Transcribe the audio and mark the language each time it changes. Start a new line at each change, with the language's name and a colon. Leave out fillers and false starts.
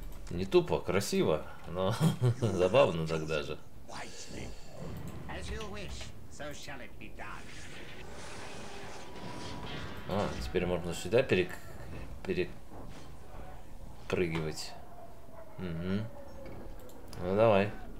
Russian: Не тупо, красиво, но забавно тогда же.
English: As you wish, so shall it be done.
Russian: А, теперь можно сюда перепрыгивать. Угу. Ну давай.